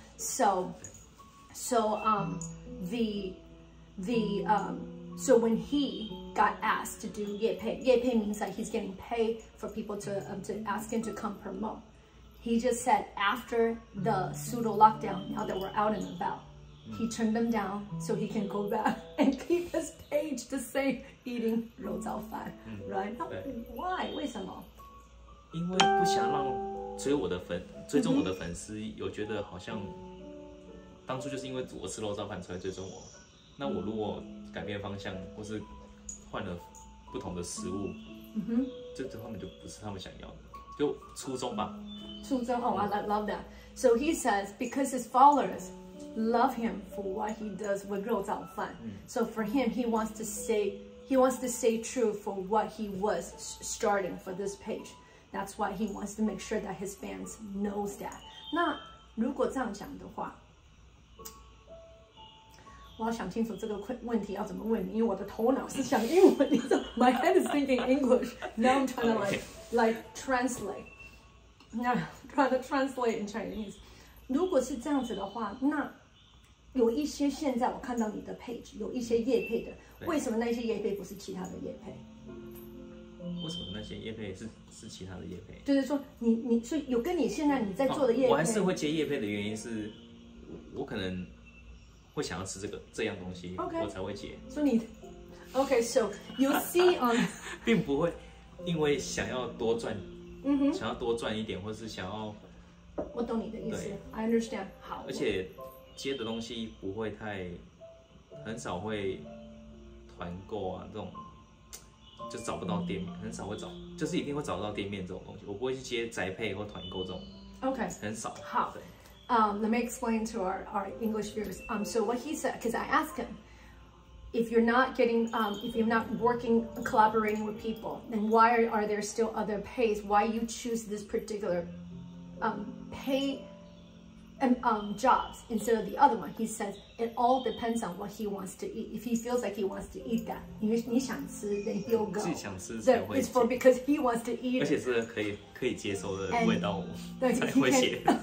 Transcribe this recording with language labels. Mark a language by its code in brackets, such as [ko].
[en] So when he got asked to do Yepei means that he's getting paid for people to ask him to come promote. He just said after the pseudo lockdown, now that we're out and about, he turned them down so he can go back and keep his page the same, eating 肉燥饭, right? Why? [zh] 为什么？因为不想让追踪我的粉丝有觉得好像。当初就是因为我吃肉燥饭才追踪我，那我如果改变方向或是换了不同的食物，嗯哼，就他们就不是他们想要的，就初衷吧。初衷哦、 [en] oh, ，I love that. So he says because his followers love him for what he does with 肉燥饭、嗯、 so for him he wants to stay true for what he was starting for this page. That's why he wants to make sure that his fans knows that. [zh] 那如果这样讲的话。我要想清楚这个问题要怎么问你，因为我的头脑是想英文。 [en] My head is thinking English. [zh] Now I'm trying to like translate. Now trying to translate in Chinese. 如果是这样子的话，那有一些现在我看到你的 page 有一些业配的，为什么那些业配不是其他的业配？为什么那些业配是其他的业配？就是说你所以有跟你现在你在做的业配、我还是会接业配的原因是，我可能。会想要吃这个这样东西， [en] okay. [zh] 我才会接。所以你 [en] ，OK， so you see on， [zh] 并不会因为想要多赚，嗯哼，想要多赚一点，或是想要，我懂你的意思 ， [en] I understand。 [zh] 好，而且接的东西不会太，很少会团购啊这种，就找不到店面，很少会找，就是一定会找到店面这种东西，我不会去接宅配或团购这种 [en] ，OK， [zh] 很少。好。 [en] Let me explain to our English viewers. So what he said, because I asked him, if you're not getting, if you're not working, collaborating with people, then why are there still other pays? Why you choose this particular pay and jobs instead of the other one? He says it all depends on what he wants to eat. If he feels like he wants to eat that, [zh] 你想吃 [en] then he'll go. [zh] 自己想吃才会。 [en] It's for because he wants to eat. [zh] 而且是可以接受的味道，才会写。